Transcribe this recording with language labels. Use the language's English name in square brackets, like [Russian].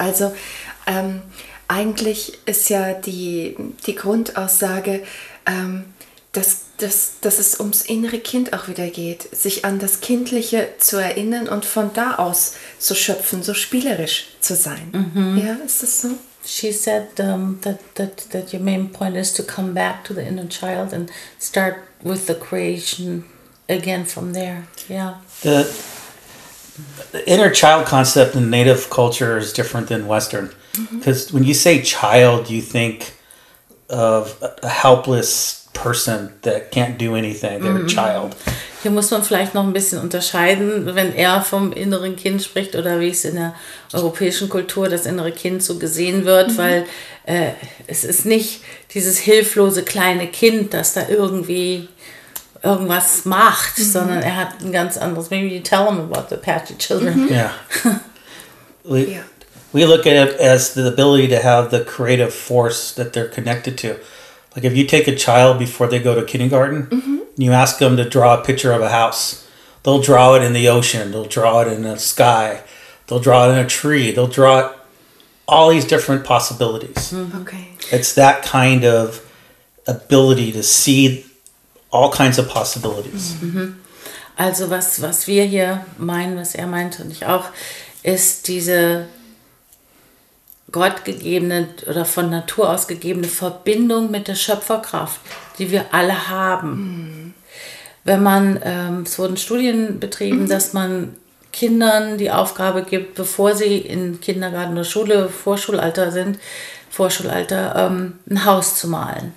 [German] Also eigentlich ist ja die Grundaussage, dass es ums innere Kind auch wieder geht, sich an das Kindliche zu erinnern und von da aus zu schöpfen, so spielerisch zu sein. Ja, ist das so? [English] She said that your main point is to come back to the inner child and start with the creation again from there. Yeah. The inner child concept in Native culture is different than Western. Because when you say child, you think of a helpless person that can't do anything, they're a child. [German] Hier muss man vielleicht noch ein bisschen unterscheiden, wenn er vom inneren Kind spricht oder wie es in der europäischen Kultur das innere Kind so gesehen wird, weil es ist nicht dieses hilflose kleine Kind, das da irgendwie irgendwas macht, sondern er hat ein ganz anderes. [English] Maybe you tell him about the Apache children. We look at it as the ability to have the creative force that they're connected to. Like if you take a child before they go to kindergarten, and you ask them to draw a picture of a house, they'll draw it in the ocean, they'll draw it in the sky, they'll draw it in a tree, they'll draw it, all these different possibilities. Okay. It's that kind of ability to see all kinds of possibilities. [German] Also was wir hier meinen, was er meint und ich auch, ist diese gottgegebene oder von Natur aus gegebene Verbindung mit der Schöpferkraft, die wir alle haben. Wenn man, es wurden Studien betrieben, dass man Kindern die Aufgabe gibt, bevor sie in Kindergarten oder Schule, Vorschulalter, ein Haus zu malen.